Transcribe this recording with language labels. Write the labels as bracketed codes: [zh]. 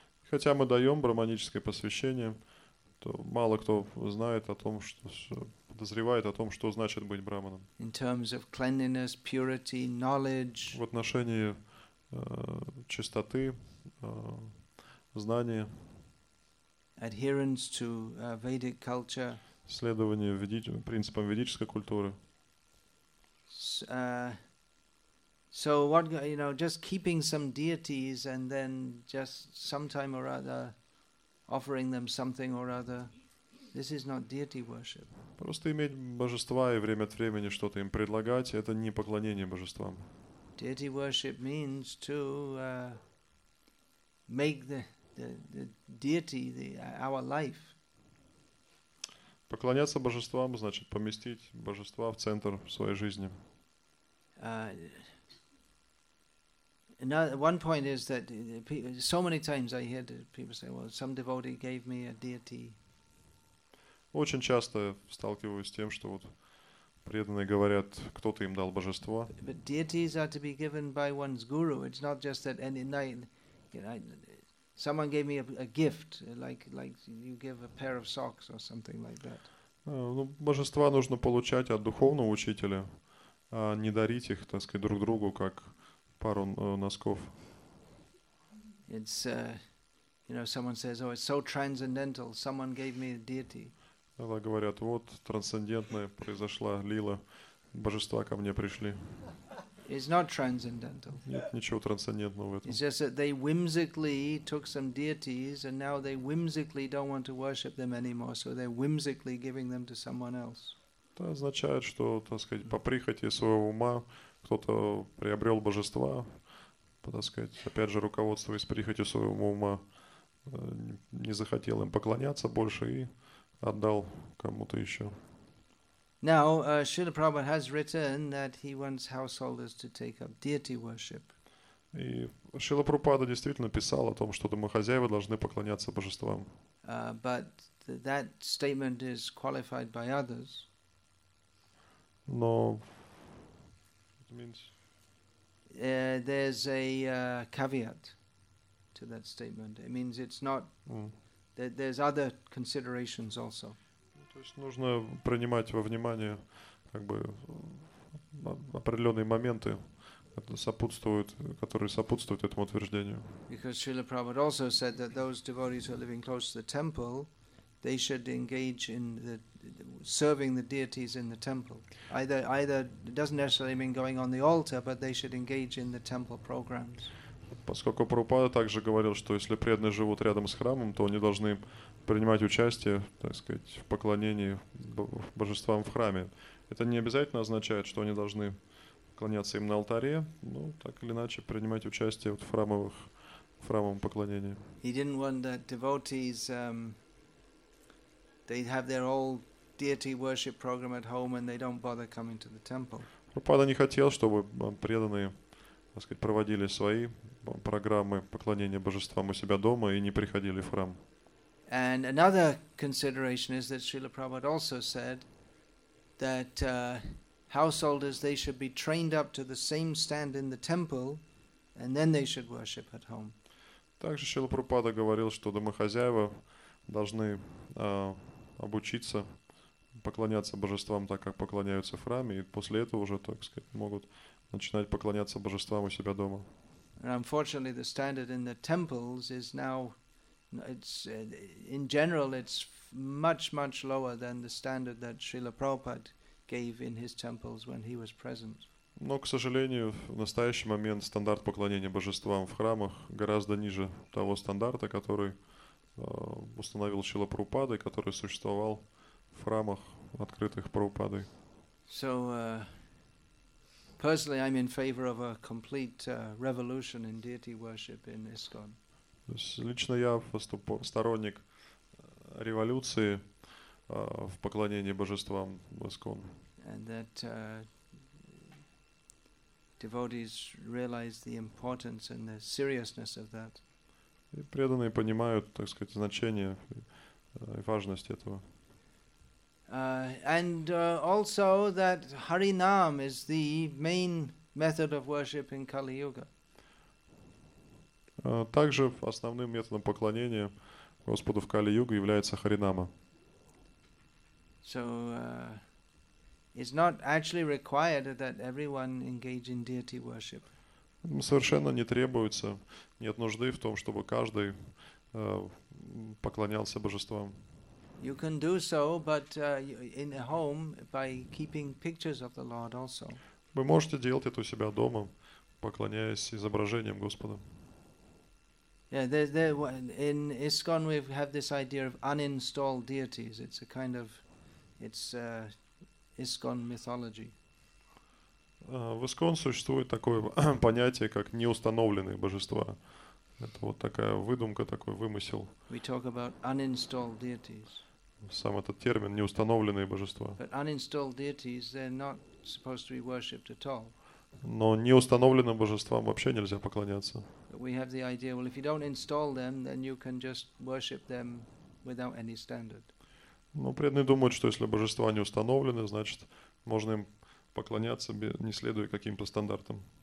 [ru] Хотя мы даем брахманическое посвящение, то мало кто знает о том, что подозревает о том, что значит быть брахманом. [en] In terms of cleanliness, purity, knowledge. [ru] В отношении чистоты, знания. [en] Adherence to Vedic culture. [ru] Следование принципам ведической культуры. [en] So what, you know, just keeping some deities and then just sometime or other offering them something or other, this is not deity worship. [ru] Просто иметь божества и время от времени что-то им предлагать, это не поклонение божествам. [en] Deity worship means to make the deity the our life. [ru] Поклоняться божествам значит поместить божества в центр своей жизни. [en] Another one point is that so many times I hear people say, "Well, some devotee gave me a deity." [ru] Очень часто сталкиваюсь с тем, что вот преданные говорят, кто-то им дал божество. [en] But deities are to be given by one's guru. It's not just that any night, you know, someone gave me a gift, like you give a pair of socks or something like that. [ru] Ну, божества нужно получать от духовного учителя, а не дарить их, так сказать, друг другу, как пару носков. [en] It's, you know, someone says, "Oh, it's so transcendental. Someone gave me a deity." [ru] Когда говорят, вот трансцендентное произошла лила, божества ко мне пришли. [en] It's not transcendental. [ru] Нет ничего трансцендентного в этом. [en] It's just that they whimsically took some deities and now they whimsically don't want to worship them anymore, so they're whimsically giving them to someone else. [ru] Это означает, что, так сказать, по прихоти своего ума кто-то приобрел божества, так сказать, опять же, руководствуясь прихотью своего ума, не захотел им поклоняться больше и отдал кому-то еще. [en] Now, Srila Prabhupada has written that he wants householders to take up deity worship. [ru] И Шрила Прабхупада действительно писал о том, что домохозяева должны поклоняться божествам. [en] But that statement is qualified by others. [ru] Но [en] There's a caveat to that statement. It means it's not that there's other considerations also. [ru] То есть нужно принимать во внимание как бы определенные моменты, которые сопутствуют этому утверждению. [en] Because Srila Prabhupada also said that those devotees who are living close to the temple, they should engage in the serving the deities in the temple. Either it doesn't necessarily mean going on the altar, but they should engage in the temple programs. [ru] Поскольку Прабхупада также говорил, что если преданные живут рядом с храмом, то они должны принимать участие, так сказать, в поклонении божествам в храме. Это не обязательно означает, что они должны поклоняться им на алтаре, но так или иначе принимать участие вот в храмовом поклонении. [en] He didn't want the devotees, they have their old deity worship program at home and they don't bother coming to the temple. [ru] Прабхупада не хотел, чтобы преданные, так сказать, проводили свои программы поклонения божествам у себя дома и не приходили в храм. [en] And another consideration is that Srila Prabhupada also said that householders, they should be trained up to the same stand in the temple and then they should worship at home. [ru] Также Шрила Прабхупада говорил, что домохозяева должны обучиться поклоняться божествам так, как поклоняются в храме, и после этого уже, так сказать, могут начинать поклоняться божествам у себя дома. [en] And unfortunately, the standard in the temples is now, in general, it's much, much lower than the standard that Srila Prabhupada gave in his temples when he was present. [ru] Но, к сожалению, в настоящий момент стандарт поклонения божествам в храмах гораздо ниже того стандарта, который установил Шрила Прабхупада, который существовал в храмах, открытых Прабхупадой. [en] So, personally, I'm in favor of a complete revolution in deity worship in ISKCON. [ru] Лично я сторонник революции в поклонении божествам в ISKCON. [en] And that devotees realize the importance and the seriousness of that. [ru] И преданные понимают, так сказать, значение и важность этого. [en] Also that Harinam is the main method of worship in Kali Yuga. [ru] Также основным методом поклонения Господу в Кали Юге является Харинама. [en] So it's not actually required that everyone engage in deity worship. [ru] Совершенно не требуется, нет нужды в том, чтобы каждый поклонялся божествам. [en] You can do so, but in a home by keeping pictures of the Lord also. [ru] Вы можете делать это у себя дома, поклоняясь изображениям Господа. [en] Yeah, there in ISKCON we have this idea of uninstalled deities. It's a kind of ISKCON mythology. [ru] В ISKCON существует такое понятие, как неустановленные божества. Это вот такая выдумка, такой вымысел. [en] We talk about uninstalled deities. [ru] Сам этот термин неустановленные божества. [en] But uninstalled deities, they're not supposed to be worshipped at all. [ru] Но неустановленным божествам вообще нельзя поклоняться. [en] We have the idea, well, if you don't install them, then you can just worship them without any standard. [ru] Но преданные думают, что если божества не установлены, значит, можно им поклоняться, не следуя каким-то стандартам.